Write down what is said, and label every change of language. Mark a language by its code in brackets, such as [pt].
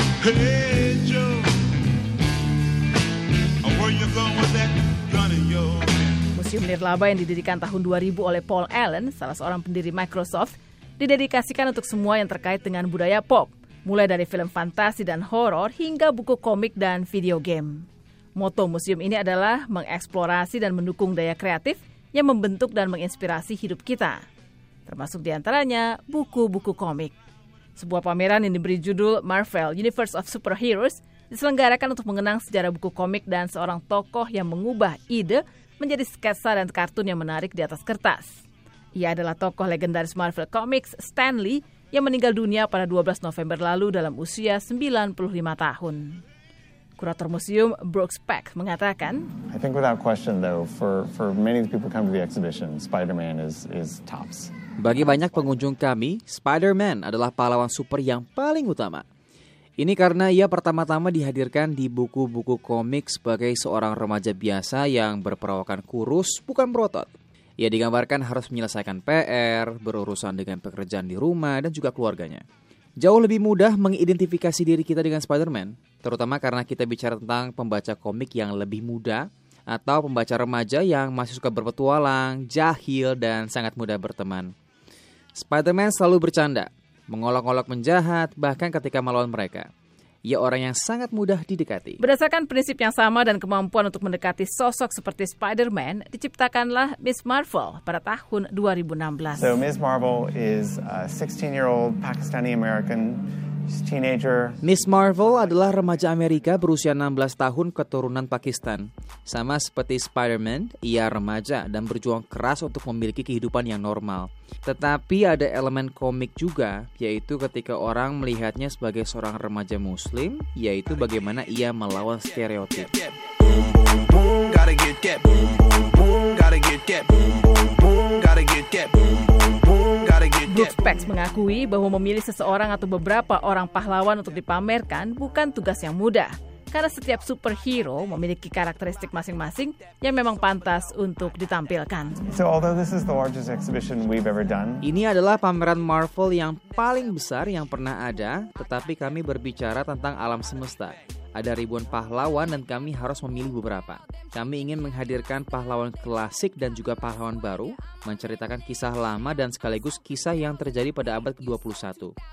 [en] Hey Joe, where you going with that gun in your hand? [id] Museum Nirlaba yang didirikan tahun 2000 oleh Paul Allen, salah seorang pendiri Microsoft, didedikasikan untuk semua yang terkait dengan budaya pop, mulai dari film fantasi dan horor hingga buku komik dan video game. Moto museum ini adalah mengeksplorasi dan mendukung daya kreatif yang membentuk dan menginspirasi hidup kita, termasuk diantaranya buku-buku komik. Sebuah pameran yang diberi judul Marvel Universe of Superheroes diselenggarakan untuk mengenang sejarah buku komik dan seorang tokoh yang mengubah ide menjadi sketsa dan kartun yang menarik di atas kertas. Ia adalah tokoh legendaris Marvel Comics, Stan Lee, yang meninggal dunia pada 12 November lalu dalam usia 95 tahun. Kurator museum Brooks Peck mengatakan, [en] I think without question though, for many people come to the exhibition, Spider-Man is tops. [id] Bagi banyak pengunjung kami, Spider-Man adalah pahlawan super yang paling utama. Ini karena ia pertama-tama dihadirkan di buku-buku komik sebagai seorang remaja biasa yang berperawakan kurus, bukan berotot. Ia digambarkan harus menyelesaikan PR, berurusan dengan pekerjaan di rumah, dan juga keluarganya. Jauh lebih mudah mengidentifikasi diri kita dengan Spider-Man, terutama karena kita bicara tentang pembaca komik yang lebih muda, atau pembaca remaja yang masih suka berpetualang, jahil, dan sangat mudah berteman. Spider-Man selalu bercanda, mengolok-olok penjahat, bahkan ketika melawan mereka. Ia orang yang sangat mudah didekati. Berdasarkan prinsip yang sama dan kemampuan untuk mendekati sosok seperti Spider-Man, diciptakanlah Ms. Marvel pada tahun 2016. [en] So Ms. Marvel is a 16-year-old Pakistani-American. She's a teenager. Ms. [id] Marvel adalah remaja Amerika berusia 16 tahun keturunan Pakistan. Sama seperti Spider-Man, ia remaja dan berjuang keras untuk memiliki kehidupan yang normal. Tetapi ada elemen komik juga, yaitu ketika orang melihatnya sebagai seorang remaja Muslim, yaitu bagaimana ia melawan stereotip. Brooks Peck mengakui bahwa memilih seseorang atau beberapa orang pahlawan untuk dipamerkan bukan tugas yang mudah, karena setiap superhero memiliki karakteristik masing-masing yang memang pantas untuk ditampilkan. [en] So although this is the largest exhibition we've ever done, [id] ini adalah pameran Marvel yang paling besar yang pernah ada, tetapi kami berbicara tentang alam semesta. Ada ribuan pahlawan dan kami harus memilih beberapa. Kami ingin menghadirkan pahlawan klasik dan juga pahlawan baru, menceritakan kisah lama dan sekaligus kisah yang terjadi pada abad ke-21.